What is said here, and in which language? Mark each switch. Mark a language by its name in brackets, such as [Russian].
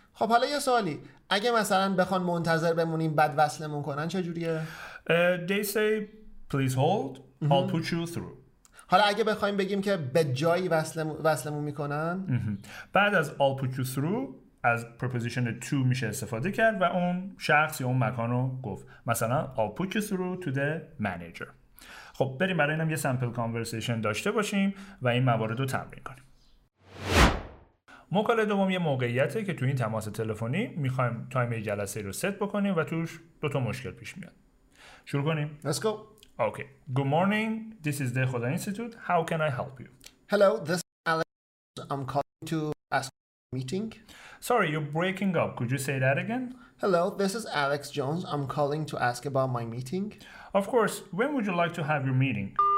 [Persian] خب حالا یه سوالی، اگه مثلا بخوان منتظر بمونیم بعد وصلمون کنن چه جوریه؟ [English] They say please hold, I'll put you through. [Persian] حالا اگه بخوایم بگیم که به جایی وصلمون میکنن، بعد از [English] I'll put you through [Persian] از preposition to میشه استفاده کرد و اون شخص یا اون مکانو گفت. مثلا [English] I'll put you through to the manager. [Persian] خب بریم برای اینم یه [English] sample conversation [Persian] داشته باشیم و این موارد رو تمرین کنیم. مکالمه دوم یه موقعیته که تو این تماس تلفنی میخوایم تایم جلسه رو ست بکنیم و توش دوتا مشکل پیش میاد. شروع کنیم. [English] Let's go. Okay. Good morning. This is the Khoda Institute. How can I help you? Hello. This is Alex. I'm calling to ask for a meeting. Sorry, you're breaking up. Could you say that again? Hello. This is Alex Jones. I'm calling to ask about my meeting. Of course. When would you like to have your meeting?